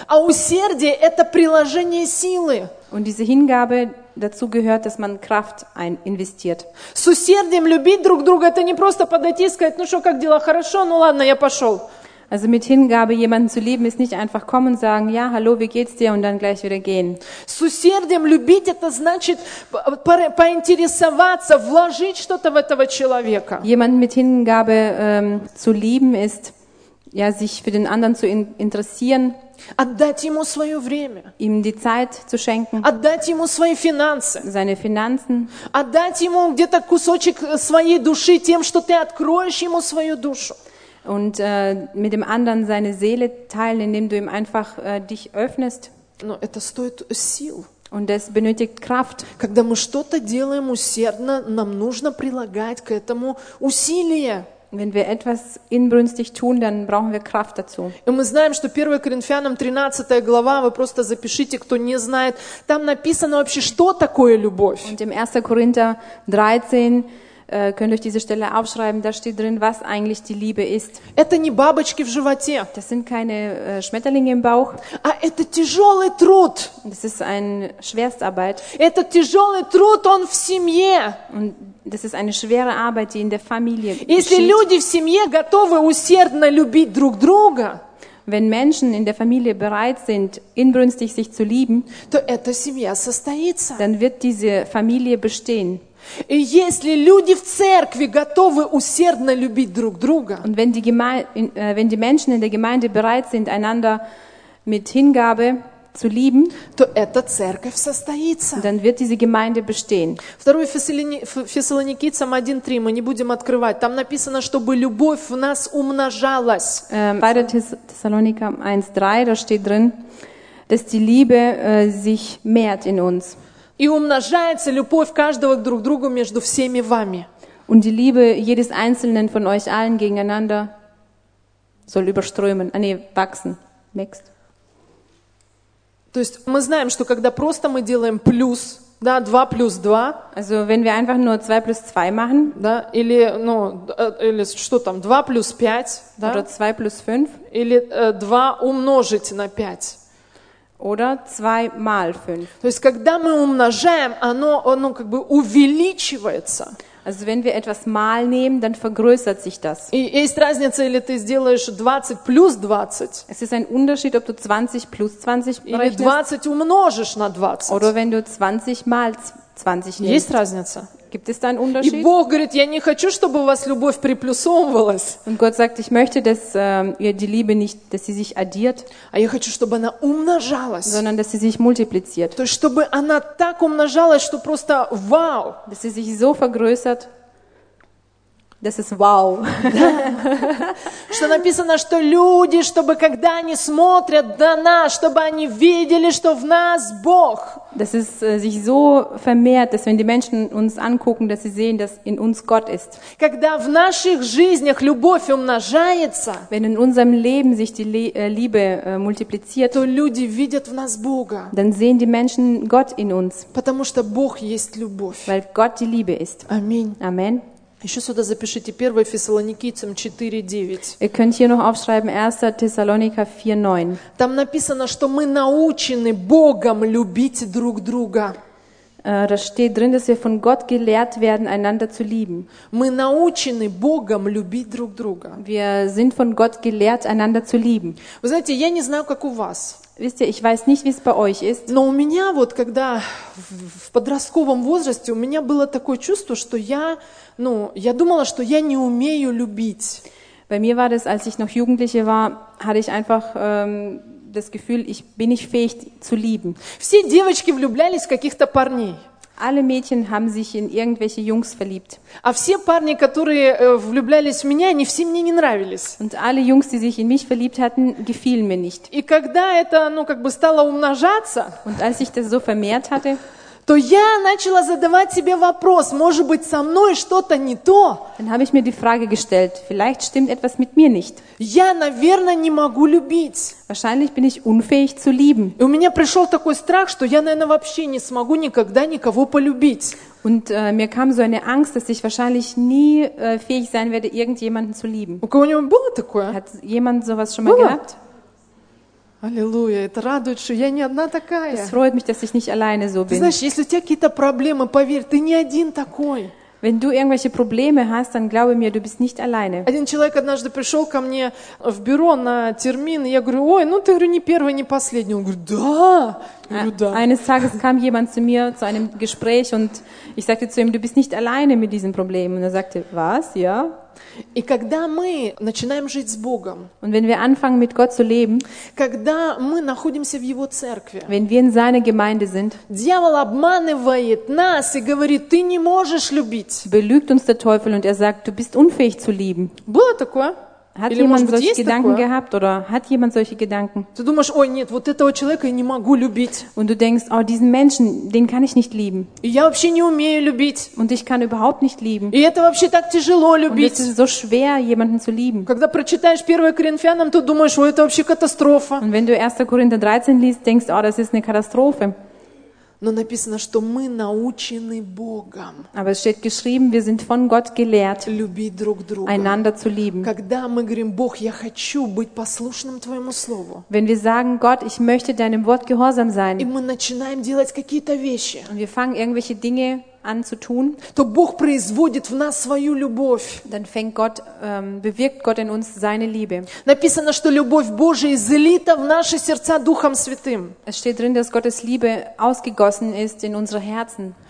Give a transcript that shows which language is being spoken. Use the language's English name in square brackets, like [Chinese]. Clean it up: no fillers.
[Russian] А усердие – это приложение силы. [German] Und diese Hingabe dazu gehört, dass man Kraft investiert. [Russian] С усердием любить друг друга – это не просто подойти и сказать, ну что, как дела, хорошо, ну ладно, я пошел. [German] Also mit Hingabe jemanden zu lieben, ist nicht einfach kommen und sagen, ja, hallo, wie geht's dir, und dann gleich wieder gehen. [Russian] С усердием любить – это значит поинтересоваться, вложить что-то в этого человека. [German] Jemanden mit Hingabe zu lieben ist, ja, sich für den anderen zu interessieren. [Russian] Отдать ему свое время. [German] Ihm die Zeit zu schenken. [Russian] Отдать ему свои финансы. [German] Seine Finanzen. [Russian] Отдать ему где-то кусочек своей души тем, что ты откроешь ему свою душу. [German] Und mit dem anderen seine Seele teilen, indem du ihm einfach dich öffnest. [Russian] Но это стоит сил. [German] Und das benötigt Kraft. [Russian] Когда мы что-то делаем усердно, нам нужно прилагать к этому усилия. [German] Wenn wir etwas inbrünstig tun, dann brauchen wir Kraft dazu. Und wir [Russian] знаем, что 1 Коринфянам 13 глава, вы просто запишите, кто не знает, там написано вообще, что такое любовь. [German] Und im 1. Korinther 13 könnt ihr euch diese Stelle aufschreiben, da steht drin, was eigentlich die Liebe ist. [Russian] Это не бабочки в животе. [German] Das sind keine Schmetterlinge im Bauch. [Russian] А это тяжелый труд. [German] Das ist eine Schwerstarbeit. [Russian] Это тяжелый труд, он в семье. [German] Und das ist eine schwere Arbeit, die in der Familie geschieht. [Russian] Если люди в семье готовы усердно любить друг друга, [German] wenn Menschen in der Familie bereit sind, inbrünstig sich zu lieben, [Russian] то эта семья состоится. [German] Dann wird diese Familie bestehen. [Russian] И если люди в церкви готовы усердно любить друг друга, [German] und wenn die wenn die Menschen in der Gemeinde bereit sind, einander mit Hingabe zu lieben, [Russian] то эта церковь состоится. [German] Dann wird diese Gemeinde bestehen. [Russian] 2 Фессалоникийцам 1:3, мы не будем открывать. Там написано, чтобы любовь в нас умножалась. [German] 2 Thessalonica 1:3, da steht drin, dass die Liebe sich mehrt in uns. [Russian] И умножается любовь каждого друг к другу между всеми вами. [German] Und die Liebe jedes einzelnen von euch allen gegeneinander soll überströmen. Wachsen. [English] Next. [Russian] То есть мы знаем, что когда просто мы делаем плюс, да, 2 плюс 2. [German] Also wenn wir einfach nur 2 plus 2 machen. [Russian] Да, или, ну, или что там, 2 плюс 5. Да, [German] oder 2 plus 5. [Russian] Или 2 умножить на 5. [German] Oder 2 mal 5. [Russian] То есть когда мы умножаем, оно как бы увеличивается. [German] Also wenn wir etwas mal nehmen, dann vergrößert sich das. [Russian] И есть разница, или ты сделаешь 20 плюс 20. [German] Es ist ein Unterschied, ob du 20 plus 20 berechnest. [Russian] Или 20 умножишь на 20. [German] Oder wenn du 20 mal 20 nimmst. [Russian] Есть разница. [German] Gibt es da einen Unterschied? [Russian] И Бог говорит, я не хочу, чтобы у вас любовь приплюсовывалась. [German] Und Gott sagt, ich möchte, dass ihr die Liebe nicht, dass sie sich addiert. [Russian] А я хочу, чтобы она умножалась. [German] Sondern dass sie sich multipliziert. [Russian] То есть, чтобы она так умножалась, что просто вау. [German] Dass sie sich so vergrößert, [English] This is wow. [Russian] Что написано, что люди, чтобы когда они смотрят на нас, чтобы они видели, что в нас Бог. [German] Das ist sich so vermehrt, dass wenn die Menschen uns angucken, dass sie sehen, dass in uns Gott ist. [Russian] Когда в наших жизнях любовь умножается, [German] wenn in unserem Leben sich die Liebe multipliziert, [Russian] то люди видят в нас Бога. [German] Dann sehen die Menschen Gott in uns. [Russian] Потому что Бог есть любовь. [German] Weil Gott die Liebe ist. [Russian] Аминь. [German] Amen. [Russian] Еще сюда запишите 1 Фессалоникийцам 4:9. [German] Ihr könnt hier noch aufschreiben 1. Thessalonica 4:9. [Russian] Там написано, что мы научены Богом любить друг друга. [German] Da steht drin, dass wir von Gott gelehrt werden, einander zu lieben. [Russian] Мы научены Богом любить друг друга. [German] Wir sind von Gott gelehrt, einander zu lieben. [Russian] Вы знаете, я не знаю, как у вас. [German] Wisst ihr, ich weiß nicht, wie es bei euch ist. [Russian] Но у меня вот, когда в подростковом возрасте, у меня было такое чувство, что я, ну, я думала, что я не умею любить. [German] Bei mir war das, als ich noch Jugendliche war, hatte ich einfach das Gefühl, ich bin nicht fähig zu lieben. [Russian] Все девочки влюблялись в каких-то парней. [German] Alle Mädchen haben sich in irgendwelche Jungs verliebt. [Russian] А все парни, которые влюблялись в меня, они все мне не нравились. [German] Und alle Jungs, die sich in mich verliebt hatten, gefielen mir nicht. [Russian] И когда это, ну, как бы стало умножаться, [German] und als ich das so vermehrt hatte, [Russian] то я начала задавать себе вопрос, может быть, со мной что-то не то? [German] Dann habe ich mir die Frage gestellt, vielleicht stimmt etwas mit mir nicht. [Russian] Я, наверное, не могу любить. [German] Wahrscheinlich bin ich unfähig zu lieben. [Russian] И у меня пришел такой страх, что я, наверное, вообще не смогу никогда никого полюбить. [German] Und mir kam so eine Angst, dass ich wahrscheinlich nie fähig sein werde, irgendjemanden zu lieben. [Russian] У кого-нибудь было такое? [German] Hat jemand sowas schon mal gehabt? [Russian] Аллилуйя, это радует, что я не одна такая. [German] Das freut mich, dass ich nicht alleine so bin. [Russian] Ты знаешь, если у тебя какие-то проблемы, поверь, ты не один такой. [German] Wenn du irgendwelche Probleme hast, dann glaube mir, du bist nicht alleine. [Russian] Один человек однажды пришел ко мне в бюро на термин, и я говорю, ой, ну ты, говорю, не первый, не последний. Он говорит, да. [German] Eines Tages kam jemand zu mir zu einem Gespräch und ich sagte zu ihm, du bist nicht alleine mit diesem Problem. Und er sagte, was, ja? [Russian] И когда мы начинаем жить с Богом, [German] und wenn wir anfangen mit Gott zu leben, [Russian] когда мы находимся в Его церкви, [German] wenn wir in seiner Gemeinde sind, [Russian] дьявол обманывает нас и говорит, ты не можешь любить. [German] Belügt uns der Teufel und er sagt, du bist unfähig zu lieben. [Russian] Было такое? [German] Hat [Russian] Или, [German] jemand [Russian] может, [German] solche Gedanken [Russian] такое? [German] Gehabt oder hat jemand solche Gedanken? [Russian] Ты думаешь, ой, нет, вот этого человека я не могу любить. [German] Und du denkst, oh, diesen Menschen, den kann ich nicht lieben. [Russian] И я вообще не умею любить. [German] Und ich kann überhaupt nicht lieben. [Russian] И это вообще так тяжело любить. [German] Und es ist so schwer, jemanden zu lieben. [Russian] Когда прочитаешь 1 Коринфянам, то думаешь, ой, это вообще катастрофа. [German] Und wenn du 1. Korinther 13 liest, denkst, oh, das ist eine Katastrophe. [Russian] Но написано, что мы научены Богом. [German] Aber es steht geschrieben, wir sind von Gott gelehrt, [Russian] любить друг друга, [German] einander zu lieben. [Russian] Когда мы говорим, Бог, я хочу быть послушным твоему слову. [German] Wenn wir sagen, Gott, ich möchte deinem Wort gehorsam sein. [Russian] И мы начинаем делать какие-то вещи. [German] Und wir fangen irgendwelche Dinge an zu tun. [Russian] То Бог производит в нас свою любовь. [German] Dann fängt Gott, bewirkt Gott in uns seine Liebe. [Russian] Написано, что любовь Божия излита в наши сердца Духом Святым. [German] Es steht drin, dass Gottes Liebe ausgegossen ist in unsere Herzen.